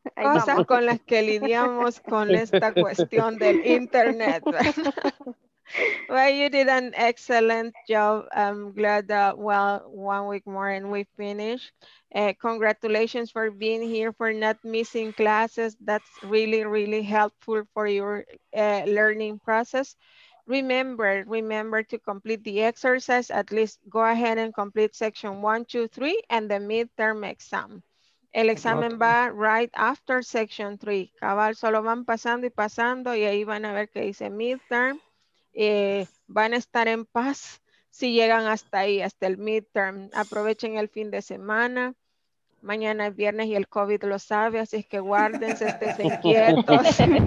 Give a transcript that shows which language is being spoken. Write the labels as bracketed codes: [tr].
[es] hay cosas con las que lidiamos con esta cuestión del internet. [en] Well, you did an excellent job. I'm glad that, well, 1 week more and we finish. Congratulations for being here, for not missing classes. That's really, really helpful for your learning process. Remember to complete the exercise. At least go ahead and complete section 1, 2, 3 and the midterm exam. [es] El examen va [en] right after section 3. [es] Cabal, solo van pasando y pasando y ahí van a ver que dice midterm. Van a estar en paz si llegan hasta ahí, hasta el midterm. Aprovechen el fin de semana. Mañana es viernes y el COVID lo sabe, así es que guárdense, estén quietos.